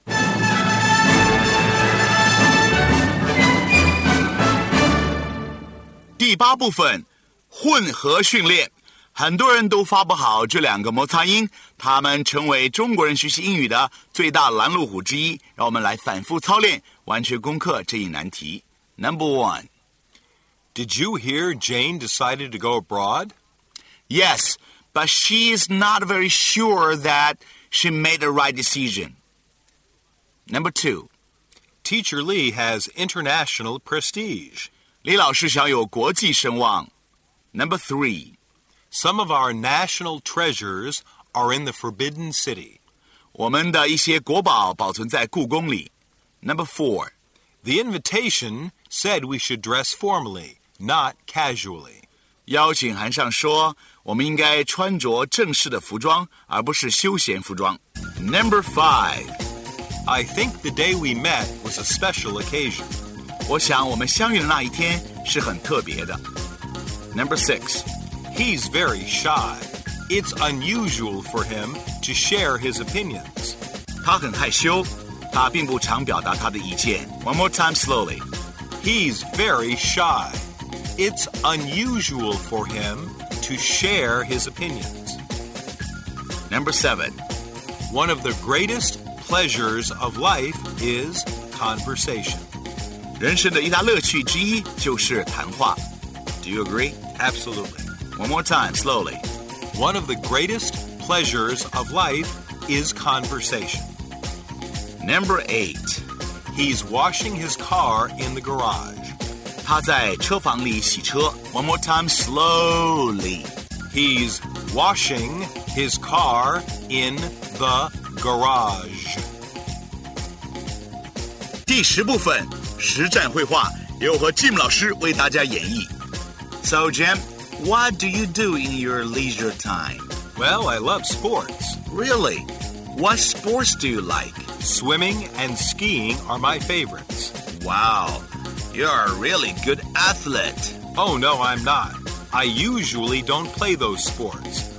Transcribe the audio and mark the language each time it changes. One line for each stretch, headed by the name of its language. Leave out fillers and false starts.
English: Eighth part,
Chinese: 混合训练。很多人都发不好这两个摩擦音，他们成为中国人学习英语的最大拦路虎之一。让我们来反复操练，完全攻克这一难题。
English: Number 1. Did you hear Jane decided to go abroad? Yes, but she's not very sure that she made the right decision. Number 2. Teacher Lee has international prestige.
Chinese: 李老师享有国际声望。
English: Number 3. Some of our national treasures are in the Forbidden City.
Chinese: 我们的一些国宝保存在故宫里。
English: Number 4. The invitation said we should dress formally. Not casually.
Chinese: 邀请函上说，我们应该穿着正式的服装，而不是休闲服装。
English: Number 5. I think the day we met was a special occasion.
Chinese: 我想我们相遇的那一天是很特别的。
English: Number 6. He's very shy. It's unusual for him to share his opinions.
Chinese: 他很害羞，他并不常表达他的意见。
English: One more time slowly. He's very shy. It's unusual for him to share his opinions. Number 7. One of the greatest pleasures of life is conversation.
Chinese: 人生的一大乐趣之一就是谈话。
English: Do you agree? Absolutely. One more time, slowly. One of the greatest pleasures of life is conversation. Number 8. He's washing his car in the garage.
Chinese: 他在车房里洗车。
English: One more time, slowly. He's washing his car in the garage.
Chinese: 第10部分，实战绘画，由和 Jim 老师为大家演绎。
English: So, Jim, what do you do in your leisure time? Well, I love sports. Really? What sports do you like? Swimming and skiing are my favorites. Wow. You're a really good athlete. Oh, no, I'm not. I usually don't play those sports.